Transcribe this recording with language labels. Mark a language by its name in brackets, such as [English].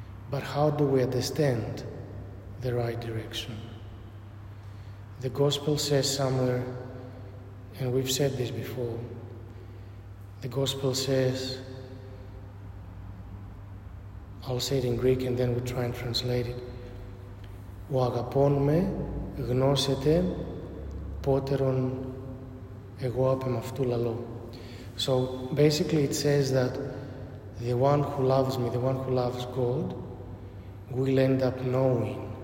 [English] But how do we understand the right direction? The gospel says somewhere, and we've said this before, the gospel says, I'll say it in Greek and then we'll try and translate it. [Greek] Ο αγαπών με γνώσετε πότερον εγώ απεμαυτού λαλώ. [English] So basically it says that the one who loves me, the one who loves God, will end up knowing.